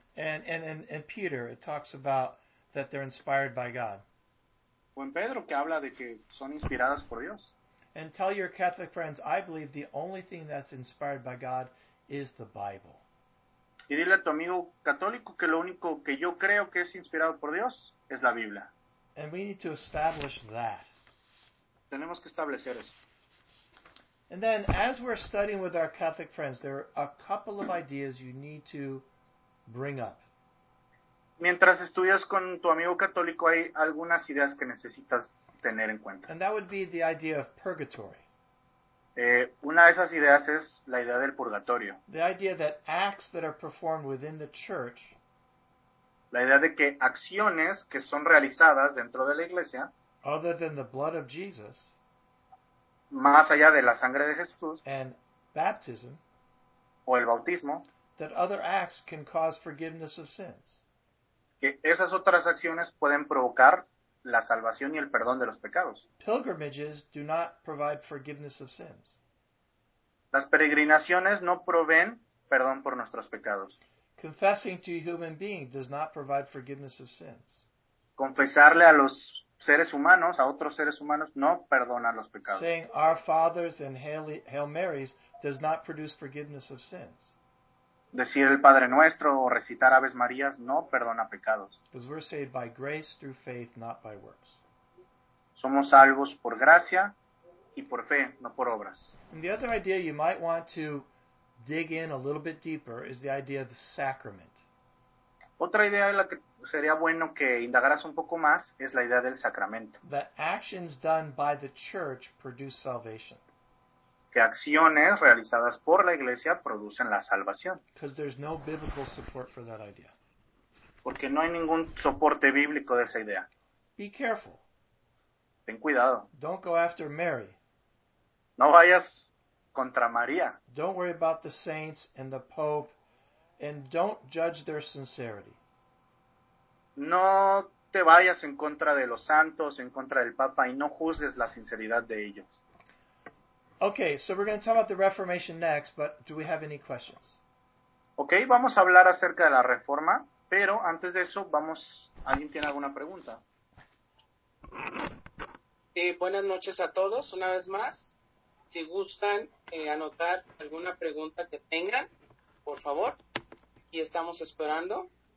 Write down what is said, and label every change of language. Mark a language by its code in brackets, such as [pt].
[en] And Peter, it talks about that they're inspired by God. [es] O en Pedro, que habla de que son inspiradas por Dios. [en] And tell your Catholic friends, I believe the only thing that's inspired by God is the Bible. [es] Y dile a tu amigo católico que lo único que yo creo que es inspirado por Dios es la Biblia. [en] And we need to establish that. [es] Tenemos que establecer eso. [en] And then, as we're studying with our Catholic friends, there are a couple of ideas you need to bring up. [es] Mientras estudias con tu amigo católico, hay algunas ideas que necesitas tener en cuenta. [en] And that would be the idea of purgatory. [es] Una de esas ideas es la idea del purgatorio. [en] The idea that acts that are performed within the church, [es] la idea de que acciones que son realizadas dentro de la iglesia, [en] other than the blood of Jesus, [es] más allá de la sangre de Jesús, [en] and baptism, [es] o el bautismo, [en] that other acts can cause forgiveness of sins. [es] Que esas otras acciones pueden provocar la salvación y el perdón de los pecados. [en] Pilgrimages do not provide forgiveness of sins. [es] Las peregrinaciones no proveen perdón por nuestros pecados. [en] Confessing to a human being does not provide forgiveness of sins. [es] Confesarle a los seres humanos, a otros seres humanos, no perdona los pecados. [en] Saying our fathers and Hail Marys does not produce forgiveness of sins. [es] Decir el Padre Nuestro o recitar Aves Marías no perdona pecados. [en] Because we're saved by grace through faith, not by works. [es] Somos salvos por gracia y por fe, no por obras. [en] And the other idea you might want to dig in a little bit deeper is the idea of the sacrament. [es] Otra idea de la que sería bueno que indagaras un poco más es la idea del sacramento. [en] That actions done by the church produce salvation. [es] Que acciones realizadas por la iglesia producen la salvación. [en] Because there's no biblical support for that idea. [es] Porque no hay ningún soporte bíblico de esa idea. [en] Be careful. [es] Ten cuidado. [en] Don't go after Mary. [es] No vayas contra María. [en] Don't worry about the saints and the Pope. And don't judge their sincerity. [es] No te vayas en contra de los santos, en contra del Papa, y no juzgues la sinceridad de ellos. [en] Okay, so we're going to talk about the Reformation next, but do we have any questions? [es] Okay, vamos a hablar acerca de la Reforma, pero antes de eso, ¿alguien tiene alguna pregunta? Sí, buenas noches a todos, una vez más. Si gustan anotar alguna pregunta que tengan, por favor, aquí estamos esperando.